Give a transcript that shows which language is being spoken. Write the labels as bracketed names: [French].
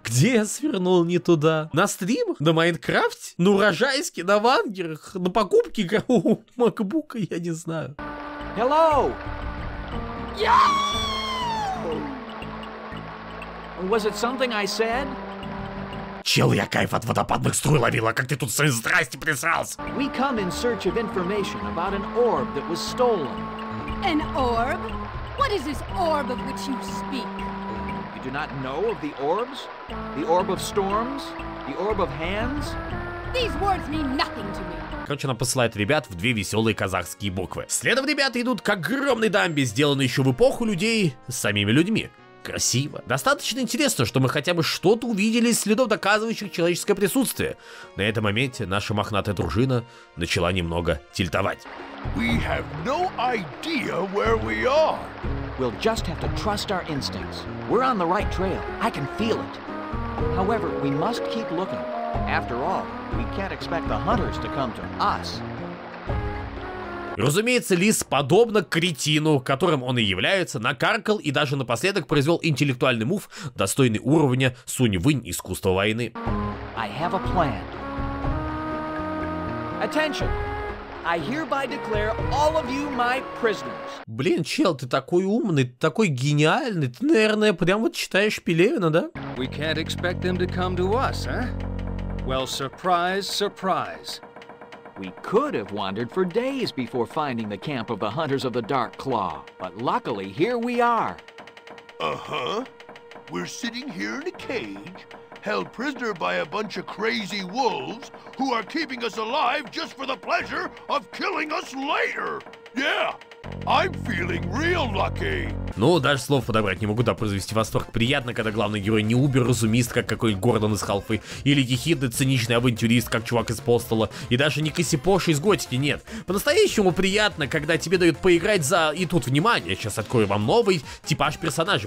[Russian] Где я свернул не туда? На стрим? На Майнкрафте? На урожайске? На вангерах? На покупке игрового макбука? Я не знаю. [English] Hello! Yo! Was it something I said? [Russian] Чел, я кайф от водопадных струй ловила, как ты тут свои здрасти присрался! [English] We come in search of information about an orb that was stolen. An orb? What is this orb of which you speak? You do not know of the orbs? The orb of storms? The orb of hands? These words mean nothing to me. [Russian] Короче, она посылает ребят в две веселые казахские буквы. Следом ребята идут к огромной дамбе, сделанной еще в эпоху людей самими людьми. Красиво. Достаточно интересно, что мы хотя бы что-то увидели из следов, доказывающих человеческое присутствие. На этом моменте наша мохнатая дружина начала немного тильтовать. [English] We have no idea where we are. We'll just have to trust our instincts. We're on the right trail. I can feel it. However, we must keep looking. After all, we can't expect the hunters to come to us. [Russian] Разумеется, лис, подобно кретину, которым он и является, накаркал и даже напоследок произвел интеллектуальный мув, достойный уровня Сунь-Вынь искусства войны. [English] I have a plan. Attention! I hereby declare all of you my prisoners. [Russian] Блин, чел, ты такой умный, ты такой гениальный, ты, наверное, прям вот читаешь Пелевина, да? [English] We can't expect them to come to us, huh? Well, surprise, surprise. We could have wandered for days before finding the camp of the Hunters of the Dark Claw, but luckily, here we are. Uh-huh. We're sitting here in a cage, held prisoner by a bunch of crazy wolves who are keeping us alive just for the pleasure of killing us later. Yeah. I'm feeling real lucky. [Russian] Ну, даже слов подобрать не могу, да произвести восторг. Приятно, когда главный герой не убер-разумист, как какой-нибудь Гордон из Халфы, или ехидный циничный авантюрист, как чувак из Постола, и даже не Косипош из Готики, нет. По-настоящему приятно, когда тебе дают поиграть за... И тут, внимание, сейчас открою вам новый типаж персонажа.